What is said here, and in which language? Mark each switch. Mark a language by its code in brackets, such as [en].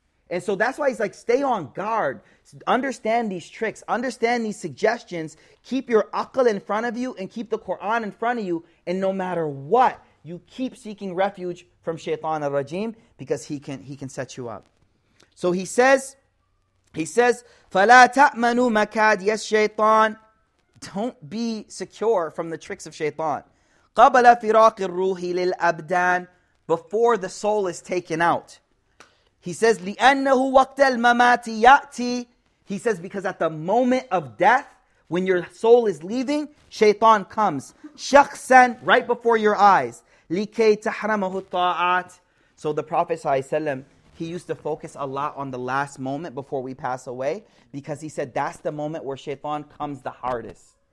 [en] And so that's why he's like, stay on guard. Understand these tricks. Understand these suggestions. Keep your aql in front of you and keep the Quran in front of you. And no matter what, you keep seeking refuge from shaitan al-rajim, because he can set you up. So he says, [ar] فَلَا تَأْمَنُوا مَكَادِيَ الشَّيْطَانِ. [en] Don't be secure from the tricks of shaitan. [ar] قَبَلَ فِرَاقِ الرُّوحِ لِلْأَبْدَانِ. [en] Before the soul is taken out. He says, [ar] لِأَنَّهُ وَقْتَ الْمَمَاتِ يَأْتِي. [en] He says, because at the moment of death, when your soul is leaving, shaitan comes. [ar] شَخْسًا, [en] right before your eyes. [ar] لِكَيْ تَحْرَمَهُ الطَّاعَاتِ. [en] So the Prophet ﷺ, he used to focus a lot on the last moment before we pass away, because he said, that's the moment where shaitan comes the hardest.